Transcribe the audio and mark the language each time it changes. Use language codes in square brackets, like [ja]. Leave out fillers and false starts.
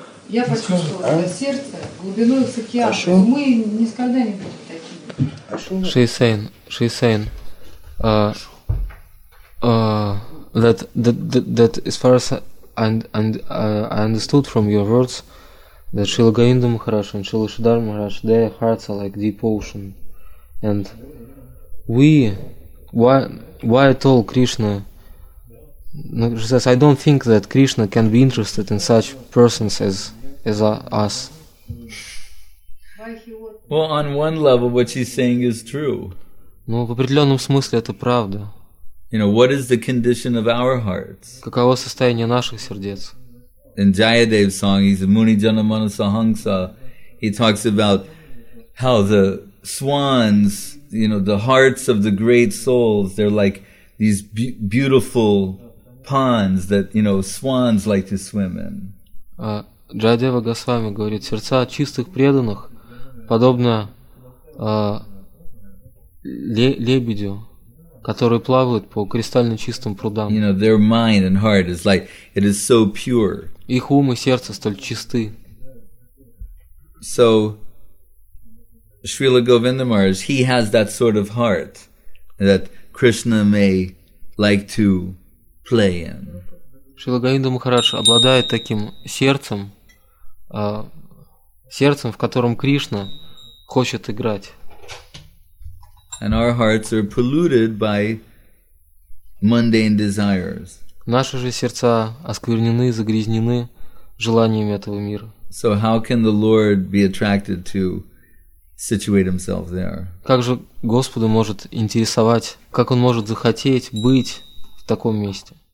[ru] Я почувствовала сердце глубиной с океаном. Мы никогда не будем такими. [en] She is saying that as far as I understood from your words, that Srila Govinda Maharaj and Srila Shridhara Maharaj, their hearts are like deep ocean, and why at all Krishna? She says, I don't think that Krishna can be interested in such persons as us. Well, on one level, what she's saying is true. [ru] Ну, в определенном смысле это правда. [en] You know, what is the condition of our hearts? [ru] Каково состояние наших сердец? [en] In Jayadev's song, he's a Muni Jana Manasahangsa. He talks about how the swans, you know, the hearts of the great souls, they're like these beautiful ponds that, you know, swans like to swim in. [ru] Джайдева Госвами говорит, сердца чистых преданных подобно лебедю, которые плавают по кристально чистым прудам. [en] You know, their mind and heart is like, it is so pure. [ru] Их ум и сердце столь чисты. [en] So, Srila Govinda Maharaj, he has that sort of heart that Krishna may like to play in. [ru] Srila Govinda Maharaj обладает таким сердцем, сердцем, в котором Кришна хочет играть. [en] And our hearts are polluted by mundane desires. [ru] Наши же сердца осквернены, загрязнены желаниями этого мира. [en] So how can the Lord be attracted to situate himself there? [ru] Как же Господу может интересовать, как он может захотеть быть в таком месте?